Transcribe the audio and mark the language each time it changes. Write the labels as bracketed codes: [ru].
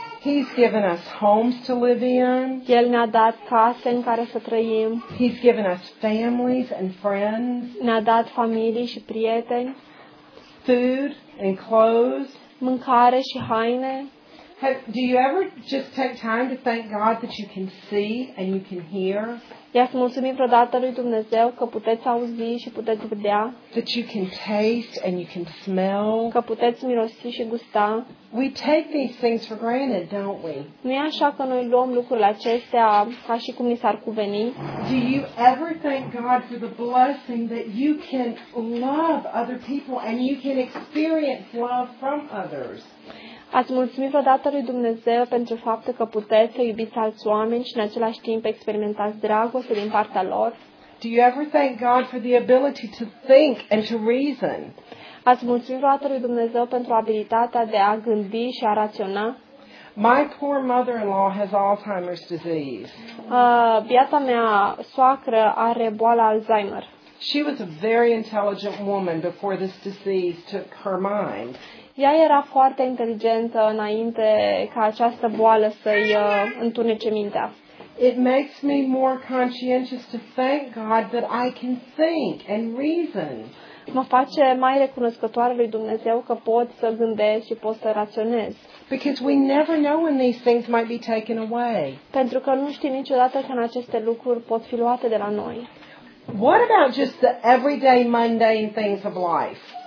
[en] He's given us homes to live in. [ro] El ne-a dat case în care să trăim. [en] He's given us families and friends. [ro] Ne-a dat familii și prieteni. [en] Food and clothes. [ro] Mâncare și haine. [en] Do you ever just take time to thank God that you can see and you can hear? [ro] I-ați mulțumit vreodată lui Dumnezeu că puteți auzi și puteți vedea? [en] That you can taste and you can smell? [ro] Că puteți mirosi și gusta? [en] We take these things for granted, don't we? [ro] Nu e așa că noi luăm lucrurile acestea ca și cum ni s-ar cuveni? [en] Do you ever thank God for the blessing that you can love other people and you can experience love from others? [ro] Ați mulțumit vreodată lui Dumnezeu pentru faptul că puteți să iubiți alți oameni și în același timp experimentați dragoste din partea lor? [en] Do you ever thank God for the ability to think and to reason? [ro] Ați mulțumit vreodată lui Dumnezeu pentru abilitatea de a gândi și a raționa? [en] My poor mother-in-law has Alzheimer's disease. [ro] Biata mea soacră are boala Alzheimer. [en] She was a very intelligent woman before this disease took her mind. [ro] Ea era foarte inteligentă înainte ca această boală să-i întunece mintea. [en] It makes me more conscientious to thank God that I can think and reason. [ro] Mă face mai recunoscătoare lui Dumnezeu că pot să gândesc și pot să raționez. [en] Because we never know when these things might be taken away. [ro] Pentru că nu știm niciodată când aceste lucruri pot fi luate de la noi. [en] What about just the everyday mundane things of life?